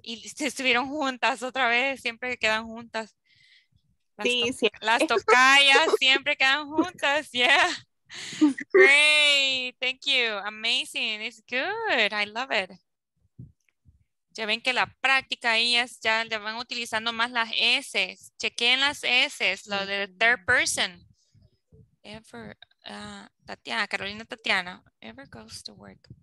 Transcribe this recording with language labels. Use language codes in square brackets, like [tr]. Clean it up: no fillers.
[es] Y estuvieron juntas otra vez, siempre quedan juntas. Las tocayas siempre quedan juntas, yeah. [en] Great, thank you, amazing, it's good, I love it. [es] Ya ven que la práctica ahí ya le van utilizando más las S. Chequen las S, lo de [en] third person. [es] Ever, Tatiana, Carolina Tatiana, ever [en] goes to work.